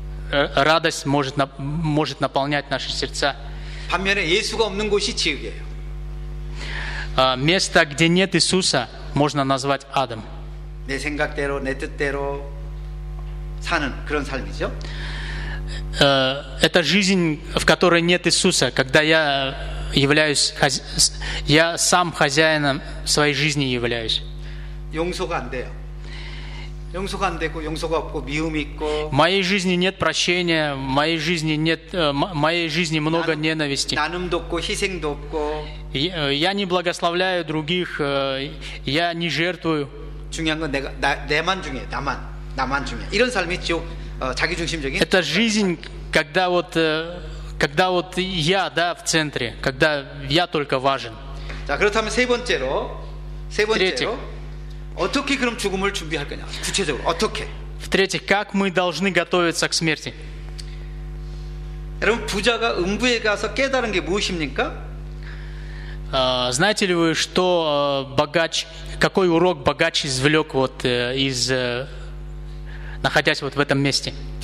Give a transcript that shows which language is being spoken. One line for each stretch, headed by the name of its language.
Russian: Радость может наполнять наши сердца.
Korean: 반면에 예수가 없는 곳이 지옥이에요.
Russian: место, где нет Иисуса, можно назвать адом.
Korean: 내 생각대로, 내 뜻대로 사는 그런 삶이죠.
Russian: Это жизнь, в которой нет Иисуса, когда я являюсь, я сам хозяином своей жизни являюсь.
Korean: 용서가 안 돼요. 용서가 안 되고 용서가 없고 미움이 있고.
Russian: В моей жизни нет прощения, в моей жизни нет, в моей жизни много ненависти.
Korean: 나눔도 없고 희생도 없고.
Russian: Я не благословляю других, я не жертвую.
Korean: 중요한 건 내가 내만 중에 나만 나만 중에 이런 삶이 지옥.
Russian: Это жизнь, когда вот, когда вот я, да, в центре, когда я только важен.
Korean: 자, 그렇다면 세 번째로, 세 번째로
Russian: третьих,
Korean: 어떻게 그럼 죽음을 준비할 거냐? 구체적으로 어떻게?
Russian: В-третьих, как мы должны готовиться к смерти?
Korean: 여러분, 부자가 음부에 가서 깨달은 게 무엇입니까?
Russian: Знаете ли вы, что богач, какой урок богач извлек вот из находясь вот в этом месте.